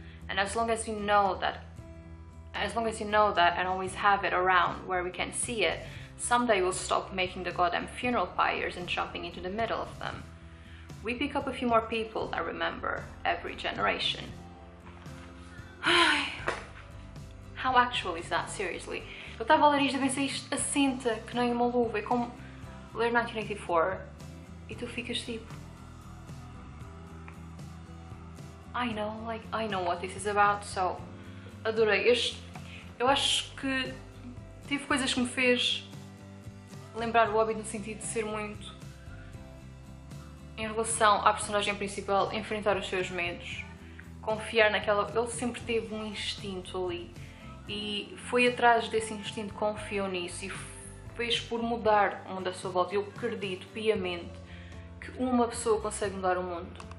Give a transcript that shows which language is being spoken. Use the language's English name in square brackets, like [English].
[English] And as long as we know that, as long as you know that and always have it around where we can see it, someday we'll stop making the goddamn funeral pyres and jumping into the middle of them. We pick up a few more people that remember every generation. How actual is that, seriously? [Portuguese] Eu estava a ler isto e pensei, isto assenta que nem uma luva. É como ler 1984 e tu ficas tipo... [English] I know what this is about, so [Portuguese] adorei este. Eu acho que tive coisas que me fez lembrar o Hobbit no sentido de ser muito em relação à personagem principal, enfrentar os seus medos, confiar naquela... Ele sempre teve um instinto ali e foi atrás desse instinto, confiou nisso e fez por mudar o mundo à sua volta. Eu acredito piamente que uma pessoa consegue mudar o mundo.